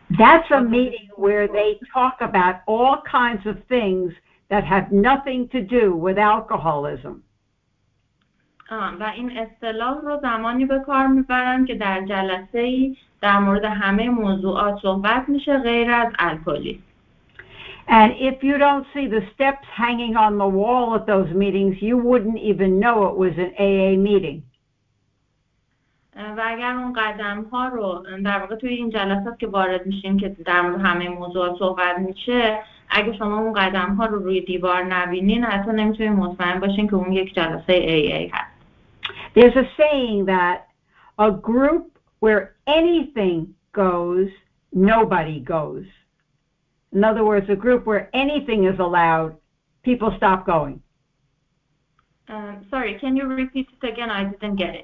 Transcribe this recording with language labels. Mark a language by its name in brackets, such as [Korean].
[English] That's a meeting where they talk about all kinds of things that have nothing to do with alcoholism. [Persian] و این اصطلاح رو زمانی به کار میبرن که در جلسه ای در مورد همه موضوعات صحبت میشه غیر از الکلی. [English] And if you don't see the steps hanging on the wall at those meetings, you wouldn't even know it was an AA meeting. [Persian] و اگر اون قدم ها رو در واقع توی این جلسات که وارد میشین که در مورد همه موضوعات صحبت میشه اگه شما اون قدم ها رو روی دیوار نبینین حتی نمیتونین مطمئن باشین که اون یک جلسه AA هست. [English] There's a saying that a group where anything goes, nobody goes. In other words, a group where anything is allowed, people stop going. Sorry, can you repeat it again? I didn't get it.